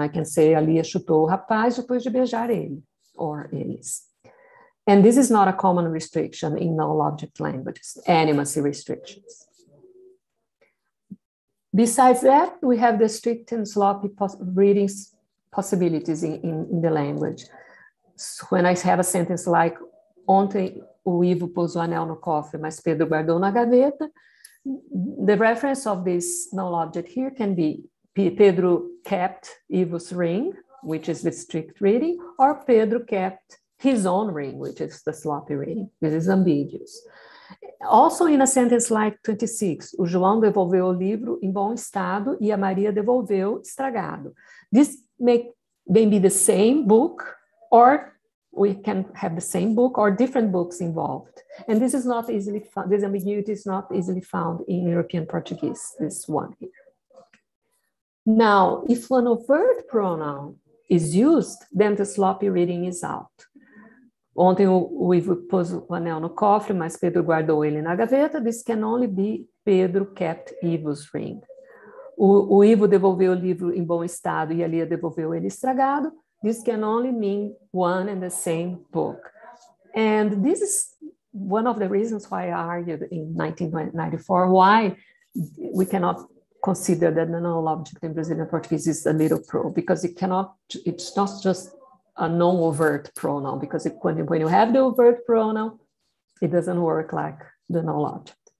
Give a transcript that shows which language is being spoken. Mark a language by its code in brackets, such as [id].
[en] I can say [pt] Alia chutou o rapaz depois de beijar ele, [en] or [pt] eles. [en] And this is not a common restriction in null object languages, animacy restrictions. Besides that, we have the strict and sloppy readings possibilities in the language. So when I have a sentence like, [pt] ontem o Ivo pôs o anel no cofre, mas Pedro guardou na gaveta, [en] the reference of this null object here can be Pedro kept Ivo's ring, which is the strict reading, or Pedro kept his own ring, which is the sloppy reading. This is ambiguous. Also in a sentence like 26, [pt] o João devolveu o livro em bom estado e a Maria devolveu estragado. [en] This may be the same book, or we can have the same book or different books involved. And this is not easily found, this ambiguity is not easily found in European Portuguese, this one here. Now, if an overt pronoun is used, then the sloppy reading is out. [pt] Ontem o Ivo pôs o anel no cofre, mas Pedro guardou ele na gaveta. [en] This can only be Pedro kept Ivo's ring. [pt] O Ivo devolveu o livro em bom estado e a Lia devolveu ele estragado. [en] This can only mean one and the same book. And this is one of the reasons why I argued in 1994 why we cannot consider that the null object in Brazilian Portuguese is a little pro, because it cannot, it's not just a non-overt pronoun, because when you have the overt pronoun, it doesn't work like the null object.